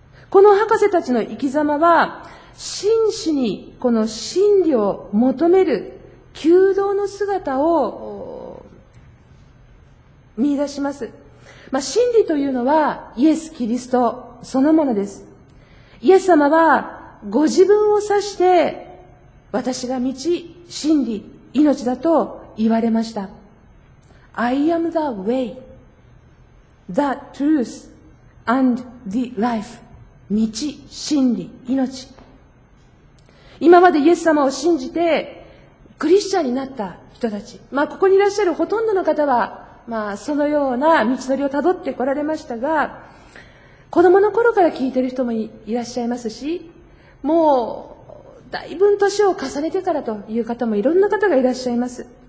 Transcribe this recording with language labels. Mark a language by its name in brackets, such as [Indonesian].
[Japanese] この博士たちの生き様は真摯にこの真理を求める弓道の姿を見出します。真理というのはイエス・キリストそのものです。イエス様はご自分を指して、私が道、真理、命だと言われました。 [English] I am the way, the truth and the life. [Japanese] 道、真理、命。今までイエス様を信じてクリスチャンになった人たち、ここにいらっしゃるほとんどの方は、そのような道のりをたどってこられましたが、子供の頃から聞いている人もいらっしゃいますし、もうだいぶ年を重ねてからという方もいろんな方がいらっしゃいます。